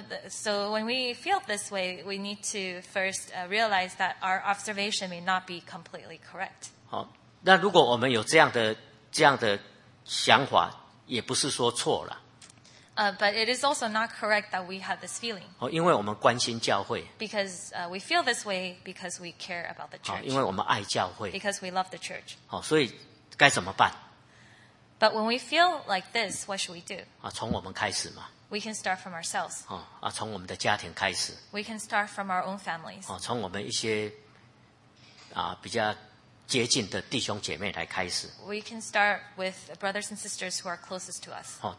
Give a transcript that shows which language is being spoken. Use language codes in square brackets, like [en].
[en] So when we feel this way, we need to first realize that our observation may not be completely correct. [zh] 好，那如果我们有这样的想法，也不是说错了。 [en] But it is also not correct that we have this feeling. [zh] 因为我们关心教会。 [en] Because we feel this way because we care about the church. [zh] 因为我们爱教会。 [en] Because we love the church. [zh] 所以该怎么办？ [en] But when we feel like this, what should we do? [zh] 从我们开始嘛。 [en] We can start from ourselves. [zh] 从我们的家庭开始。 [en] We can start from our own families. [zh] 从我们一些比较接近的弟兄姐妹来开始。 [en] We can start with brothers and sisters who are closest to us.